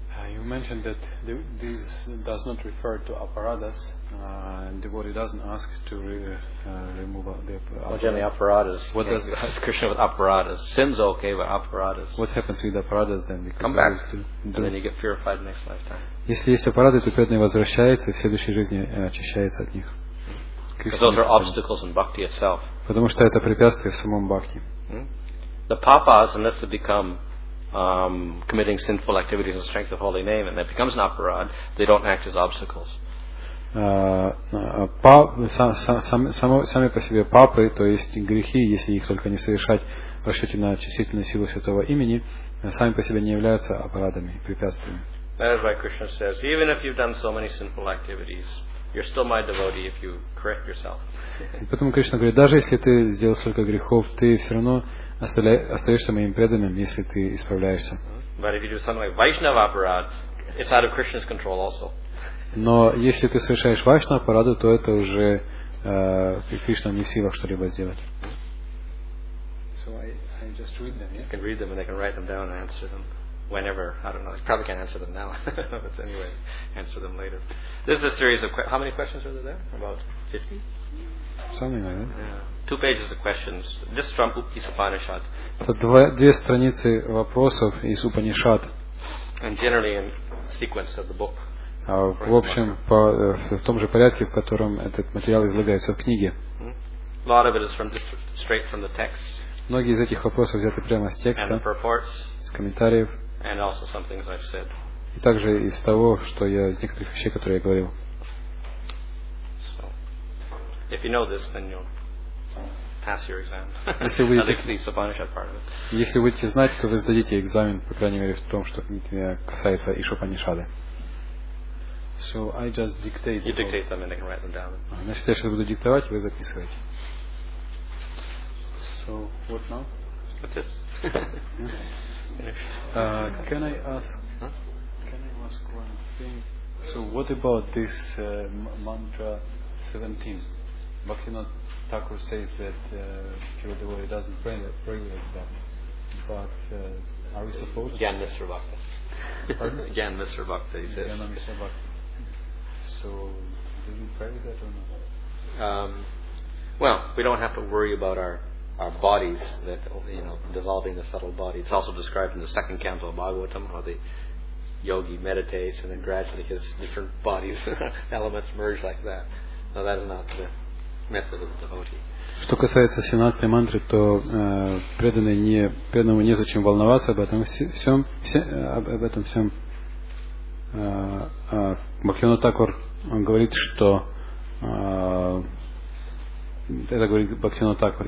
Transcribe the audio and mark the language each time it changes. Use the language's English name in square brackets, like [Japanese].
[English] You mentioned that this does not refer to aparadas, and devotee doesn't ask to remove the aparadas. Well, generally aparadas. What does Krishna with aparadas? Sins okay, but aparadas. What happens with aparadas then? Because come back, and then you get purified next lifetime. [Russian] Если есть аппараты, то преданный возвращается и в следующей жизни очищается от них. [English] Because those are obstacles in bhakti itself. [Russian] Потому что это препятствие в самом бхакти. [English] The papas, unless they become committing sinful activities in the strength of holy name, and that becomes an aparad, they don't act as obstacles. [Russian] Сами по себе папы, то есть грехи, если их только не совершать в расчете на очистительную силу святого имени, сами по себе не являются аппаратами, препятствиями. [English] That is why Krishna says, even if you've done so many sinful activities, you're still my devotee if you correct yourself. [Russian] Поэтому Кришна говорит, даже если ты сделал столько грехов, ты все равно остаешься моим преданным, если ты исправляешься. [English] But if you do something like Vaishnava aparad, it's out of Krishna's control also. [Russian] Но если ты совершаешь Вайшнава апараду, то это уже Кришна не в силах что-либо сделать. [English] So I just read them. Yeah? I can read them and I can write them down and answer them whenever. I don't know. I probably can't answer them now, but anyway, answer them later. This is a series of how many questions are there? About 50. Something like that. Yeah. Two pages of questions. This is from Upanishad. Upanishad. [Russian] Это две страницы вопросов из Упанишад. [English] And generally in sequence of the book. [Russian] В общем, в том же порядке, в котором этот материал излагается в книге. [English] A lot of it is from straight from the text. [Russian] Многие из этих вопросов взяты прямо с текста. [English] And the purports. [Russian] Из комментариев. [English] And also some things I've said. [Russian] И также из того, что я из некоторых вещей, которые я говорил. [English] If you know this, then you'll pass your exam. [Russian] Если вы [English] the Upanishad part of it. [Russian] Если вы это знаете, то вы сдадите экзамен, по крайней мере, в том, что касается Ишупанишады. [English] So I just dictate. You dictate them and I can write them down. [Russian] Значит, я сейчас буду диктовать, вы записываете. [English] So what now? That's it. Can I ask? Can I ask one thing? So what about this mantra 17? Bhaktivinoda Thakur says that pure devotee doesn't regulate that. But are we supposed? Again, Mr. Bhakti. Again, Mr. Bhakti. Again, Mr. Bhakti. So, do we pray that or not? Well, we don't have to worry about our bodies, that, you know, dissolving the subtle body. It's also described in the second canto of Bhagavatam, how the yogi meditates and then gradually his different bodies, elements merge like that. So that is not the method of the devotee. [Russian] Что касается 17-й мантры, то преданному незачем волноваться об этом всем. Бхактивинода Тхакур говорит, что это говорит Бхактивинода Тхакур.